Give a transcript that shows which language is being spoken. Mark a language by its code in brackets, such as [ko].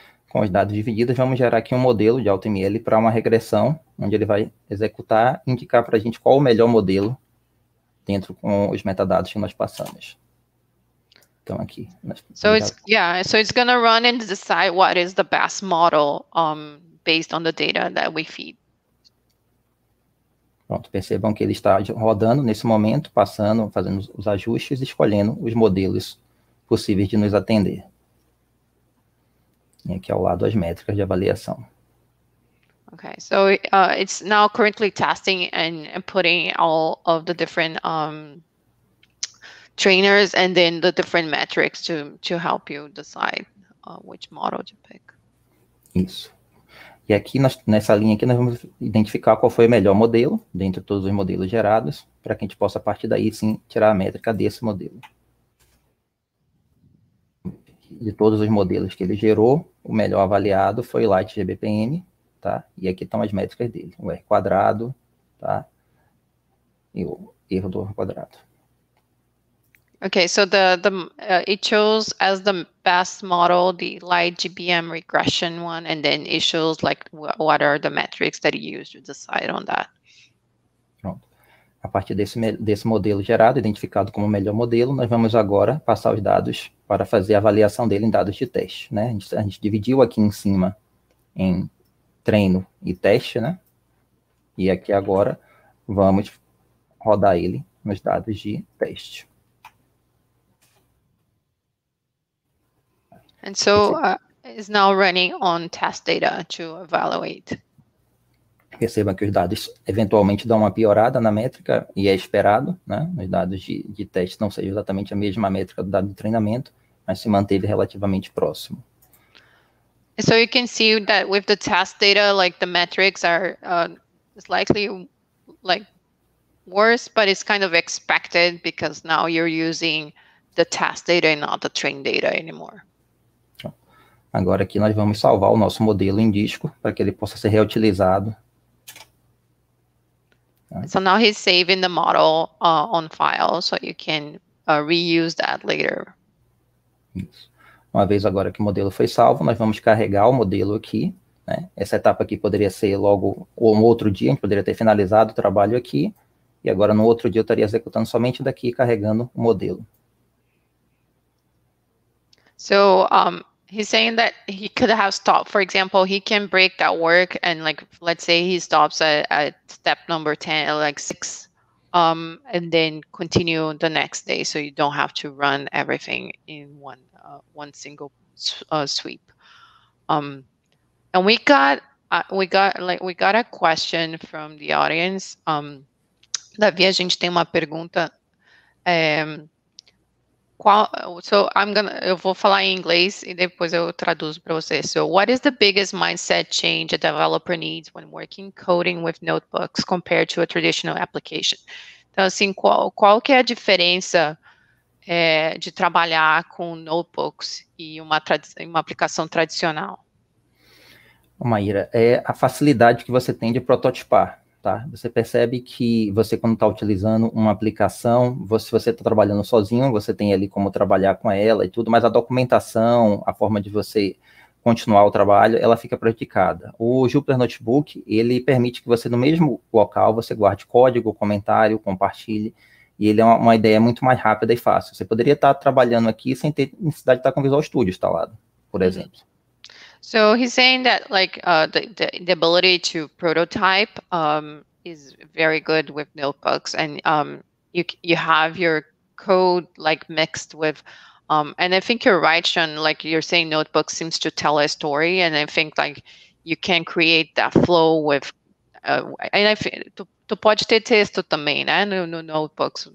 [pt] Com os dados divididos, vamos gerar aqui um modelo de AutoML para uma regressão, onde ele vai executar e indicar para a gente qual o melhor modelo dentro com os metadados que nós passamos. Então, aqui. [en] So it's going to run and decide what is the best model based on the data that we feed. [pt] Pronto, percebam que ele está rodando nesse momento, passando, fazendo os ajustes e escolhendo os modelos possíveis de nos atender. E aqui ao lado as métricas de avaliação. [en] Okay, so it's now currently testing and putting all of the different trainers and then the different metrics to help you decide which model to pick. [pt] Isso. E aqui nessa linha aqui nós vamos identificar qual foi o melhor modelo dentro de todos os modelos gerados para que a gente possa a partir daí sim tirar a métrica desse modelo. De todos os modelos que ele gerou, o melhor avaliado foi o LightGBPM, tá? E aqui estão as métricas dele, o R quadrado, tá? E o erro do R quadrado. [en] Okay, so it chose as the best model the LightGBM regression one, and then it shows like what are the metrics that you used to decide on that. [pt] Pronto. A partir desse modelo gerado, identificado como o melhor modelo, nós vamos agora passar os dados para fazer a avaliação dele em dados de teste, né? A gente dividiu aqui em cima em treino e teste, né? E aqui agora vamos rodar ele nos dados de teste. [en] And so it's now running on test data to evaluate. [pt] Perceba que os dados eventualmente dão uma piorada na métrica e é esperado, né? Nos dados de teste não seja exatamente a mesma métrica do dado de treinamento, mas se manteve relativamente próximo. [en] So you can see that with the test data, like the metrics are slightly like worse, but it's kind of expected because now you're using the test data and not the train data anymore. [pt] Agora aqui nós vamos salvar o nosso modelo em disco para que ele possa ser reutilizado. [en] So now he's saving the model on file, so you can reuse that later. [pt] Isso. Uma vez agora que o modelo foi salvo, nós vamos carregar o modelo aqui, né? Essa etapa aqui poderia ser logo ou um outro dia, a gente poderia ter finalizado o trabalho aqui, e agora no outro dia eu estaria executando somente daqui carregando o modelo. [en] So he's saying that he could have stopped. For example, he can break that work and like let's say he stops at step number 10, like 6 And then continue the next day, so you don't have to run everything in one single sweep. And we got a question from the audience. [pt] Davi, a gente tem uma pergunta. Eu vou falar em inglês e depois eu traduzo para você. [en] So, what is the biggest mindset change a developer needs when working coding with notebooks compared to a traditional application? [pt] Então, assim, qual que é a diferença de trabalhar com notebooks e uma aplicação tradicional? Maíra, é a facilidade que você tem de prototipar, tá? Você percebe que você, quando está utilizando uma aplicação, se você está trabalhando sozinho, você tem ali como trabalhar com ela e tudo, mas a documentação, a forma de você continuar o trabalho, ela fica prejudicada. O Jupyter Notebook, ele permite que você, no mesmo local, você guarde código, comentário, compartilhe, e ele é uma ideia muito mais rápida e fácil. Você poderia estar trabalhando aqui sem ter necessidade de estar com o Visual Studio instalado, por exemplo. [en] So he's saying that like the ability to prototype is very good with notebooks, and you have your code like mixed with and I think you're right, Sean, like you're saying notebooks seems to tell a story, and I think like you can create that flow with and I think [pt] tu pode ter texto também, né, no notebooks,